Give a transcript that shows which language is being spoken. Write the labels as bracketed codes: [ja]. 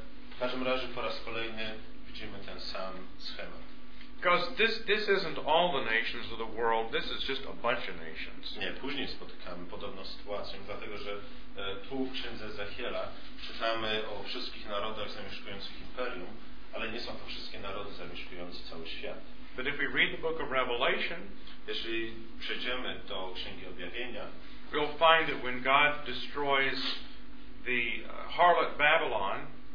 [pl] W każdym razie po raz kolejny widzimy ten sam schemat. [en] Because this isn't all the nations of the world. This is just a bunch of nations. [pl] Nie, później spotykamy podobną sytuację, dlatego że tu w Księdze Ezechiela czytamy o wszystkich narodach zamieszkujących imperium, ale nie są to wszystkie narody zamieszkujące cały świat. [en] But if we read the book of Revelation, [pl] jeśli przejdziemy do Księgi Objawienia, [en] we'll find that when God destroys the harlot Babylon,